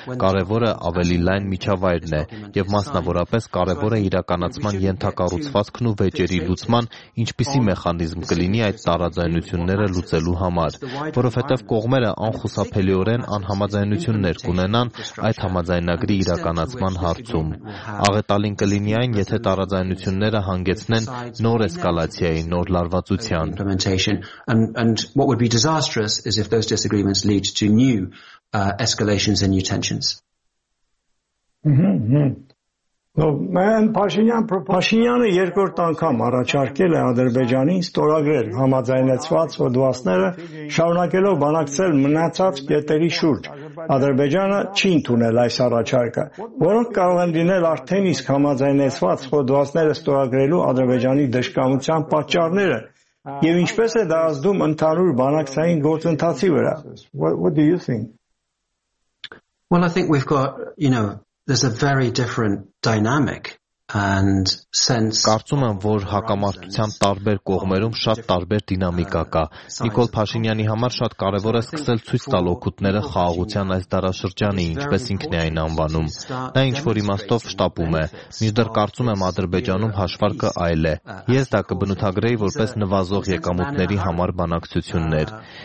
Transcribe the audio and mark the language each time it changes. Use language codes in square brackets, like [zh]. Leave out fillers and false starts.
[hy] Կարևորը ավելի լայն միջավայրն է եւ մասնավորապես կարևոր է իրականացման ենթակառուցվածքն ու վեճերի լուծման, ինչպիսի մեխանիզմ կլինի այդ տարաձայնությունները լուծելու համար, որով հետև կողմերը անխուսափելիորեն անհամաձայնություններ կունենան այդ համաձայնագրի իրականացման հարցում։ Աղետալին կլինի այն, եթե տարաձայնությունները հանգեցնեն նոր էսկալացիայի, նոր լարվածության։ [en] And what would be disastrous is if those disagreements lead to new escalations and new tensions. [hy] Փաշինյանը երկրորդ անգամ առաջարկել է Ադրբեջանին ստորագրել համաձայնեցված հոդվածները, շարունակելով բանակցել մնացած կետերի շուրջ։ Ադրբեջանը չի ընդունել այս առաջարկը, որոնք կարող են լինել արդեն իսկ համաձայնեցված հոդվածները ստորագրելու Ադրբեջանի դժկամության պատճառները, եւ ինչպես է դա ազդում ընդհանուր բանակցային գործընթացի վրա։ [en] What do you think? Well, I think we've got, you know, there's a very different dynamic and sense. [hy] Կարծում եմ, որ հակամարտության տարբեր կողմերում շատ տարբեր դինամիկա կա։ Նիկոլ Փաշինյանի համար շատ կարևոր է սկսել ցույց տալ օգուտները խաղաղության այս դարաշրջանի, ինչպես ինքն է այն անվանում։ Դա ինչ որ իմաստով շտապում է։ Միջդեռ կարծում եմ, Ադրբեջանում հաշվարկը այլ է։ Ես դա կբնութագրեի որպես նվազող եկամուտների համար բանակցություններ։